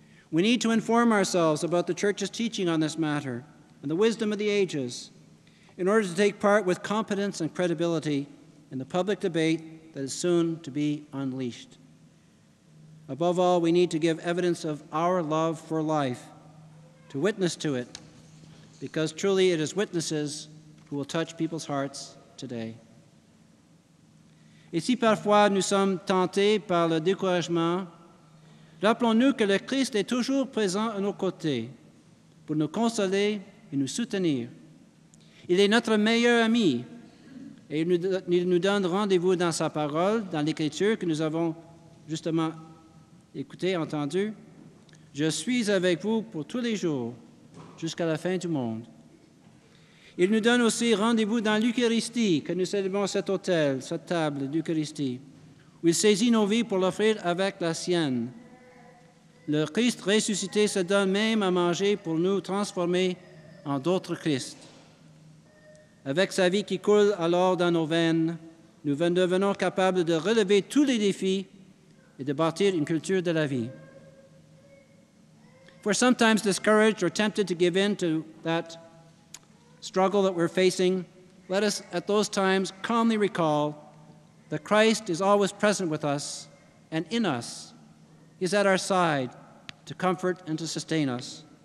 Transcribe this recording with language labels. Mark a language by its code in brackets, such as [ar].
[en] We need to inform ourselves about the Church's teaching on this matter and the wisdom of the ages in order to take part with competence and credibility in the public debate that is soon to be unleashed. Above all, we need to give evidence of our love for life, to witness to it, because truly it is witnesses who will touch people's hearts today. [fr] Et si parfois nous sommes tentés par le découragement, rappelons-nous que le Christ est toujours présent à nos côtés pour nous consoler et nous soutenir. Il est notre meilleur ami et il nous donne rendez-vous dans sa parole, dans l'Écriture que nous avons justement écoutée, entendue. Je suis avec vous pour tous les jours jusqu'à la fin du monde. Il nous donne aussi rendez-vous dans l'Eucharistie, que nous célébrons cet autel, cette table d'Eucharistie, où il saisit nos vies pour l'offrir avec la sienne. Le Christ ressuscité se donne même à manger pour nous transformer en d'autres Christ. Avec sa vie qui coule alors dans nos veines, nous devenons capables de relever tous les défis et de bâtir une culture de la vie. [en] If we're sometimes discouraged or tempted to give in to that struggle that we're facing, let us at those times calmly recall that Christ is always present with us and in us. He's at our side to comfort and to sustain us.